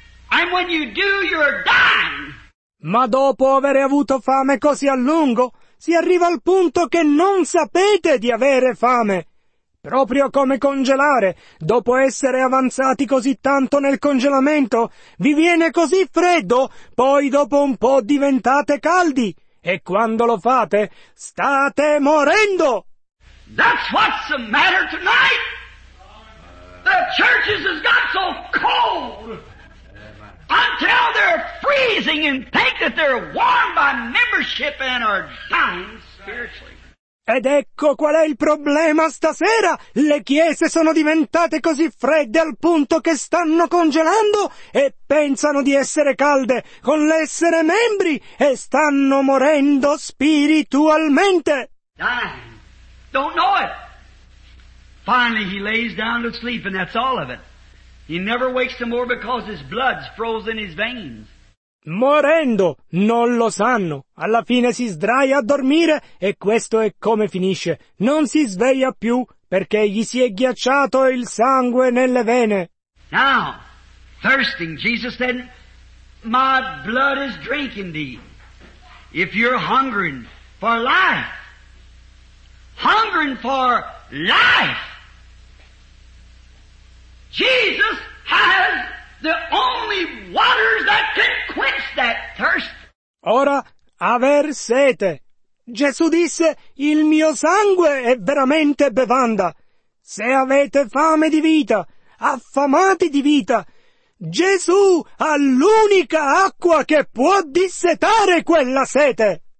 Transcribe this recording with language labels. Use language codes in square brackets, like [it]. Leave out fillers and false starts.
[en] And when you do, you're dying. [it] Ma dopo aver avuto fame così a lungo, si arriva al punto che non sapete di avere fame. Proprio come congelare, dopo essere avanzati così tanto nel congelamento, vi viene così freddo, poi dopo un po' diventate caldi. E quando lo fate, state morendo! [en] That's what's the matter tonight! The churches has got so cold! Until they're freezing and think that they're warmed by membership and are dying spiritually. [it] Ed ecco qual è il problema stasera. Le chiese sono diventate così fredde al punto che stanno congelando e pensano di essere calde con l'essere membri e stanno morendo spiritualmente. [en] Dying. Don't know it. Finally he lays down to sleep and that's all of it. He never wakes no more because his blood's frozen in his veins. [it] Morendo, non lo sanno. Alla fine si sdraia a dormire e questo è come finisce. Non si sveglia più perché gli si è ghiacciato il sangue nelle vene. [en] Now, thirsting, Jesus said, my blood is drinking thee. If you're hungering for life, hungering for life, Jesus has the only waters that can quench that thirst. [it] Ora, aver sete. Gesù disse, il mio sangue è veramente bevanda. Se avete fame di vita, affamati di vita, Gesù ha l'unica acqua che può dissetare quella sete.